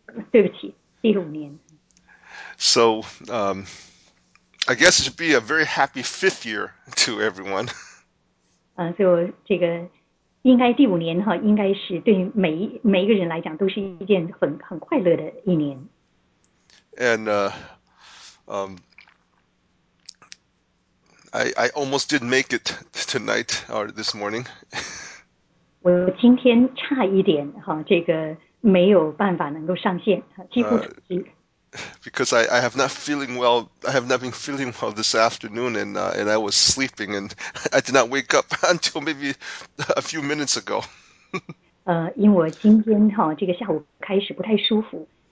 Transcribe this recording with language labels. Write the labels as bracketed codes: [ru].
[zh] 对不起,第五年。 [en] So, I guess it should be a very happy fifth year to everyone. [zh] 就这个,应该第五年,应该是对每一个人来讲都是一件很快乐的一年。 [en] And I almost didn't make it tonight or this morning. [zh] 我今天差一点哈，这个没有办法能够上线，几乎。 [en] Because I have not feeling well. I have not been feeling well this afternoon, and I was sleeping, and I did not wake up until maybe a few minutes ago. [zh] 因为我今天哈这个下午开始不太舒服。